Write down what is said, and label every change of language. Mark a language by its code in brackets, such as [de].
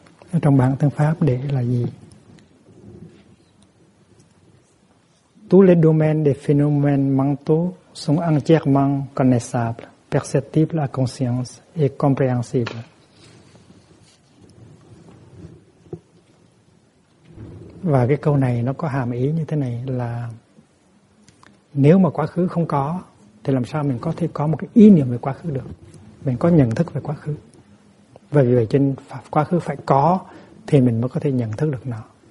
[vi] Ở trong bản tiếng Pháp để là gì? [fr] Tous les domaines des phénomènes mentaux sont entièrement connaissables, perceptibles à conscience et compréhensibles. [vi] Và cái câu này nó có hàm ý như thế này là: nếu mà quá khứ không có thì làm sao mình có thể có một cái ý niệm về quá khứ được, mình có nhận thức về quá khứ. Và vì vậy trên quá khứ phải có thì mình mới có thể nhận thức được nó.